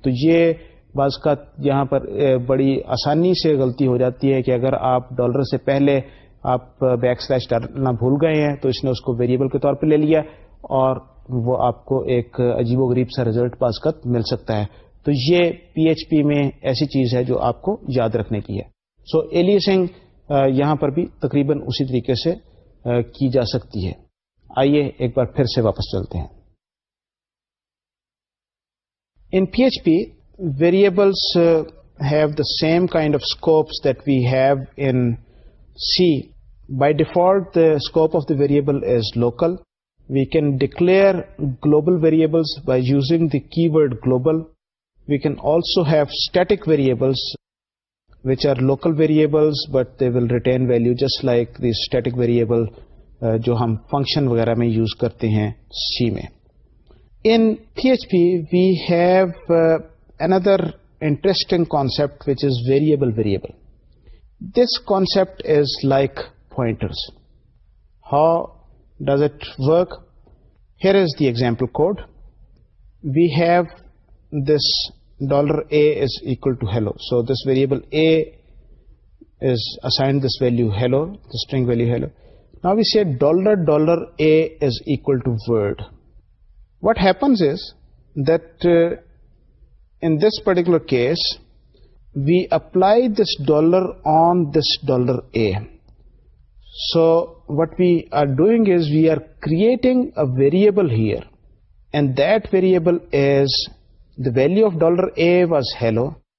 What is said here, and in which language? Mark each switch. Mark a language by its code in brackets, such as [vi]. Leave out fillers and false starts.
[ur] تو یہ بعض کا یہاں پر بڑی آسانی سے غلطی ہو جاتی ہے کہ اگر آپ ڈالر سے پہلے آپ بیک سلیش ڈالنا بھول گئے ہیں تو اس نے اس کو ویریبل کے طور پہ لے لیا اور وہ آپ کو ایک عجیب و غریب سا رزلٹ پاس کر مل سکتا ہے. تو یہ پی ایچ پی میں ایسی چیز ہے جو آپ کو یاد رکھنے کی ہے. سو ایلیسنگ یہاں پر بھی تقریباً اسی طریقے سے کی جا سکتی ہے. آئیے ایک بار پھر سے واپس چلتے ہیں. [en] In PHP, variables have the same kind of scopes that we have in C. By default, the scope of the variable is local. We can declare global variables by using the keyword global. We can also have static variables, which are local variables, but they will retain value, just like the static variable [ur] جو ہم function وغیرہ میں use کرتے ہیں سی میں. [en] In P H P we have another interesting concept which is variable variable. This concept is like pointers. How does it work? Here is the example code. We have this dollar a is equal to hello. So this variable a is assigned this value hello, the string value hello. Now we say dollar dollar a is equal to word. What happens is that in this particular case, we apply this dollar on this dollar a. So what we are doing is we are creating a variable here, and that variable is the value of dollar a was hello.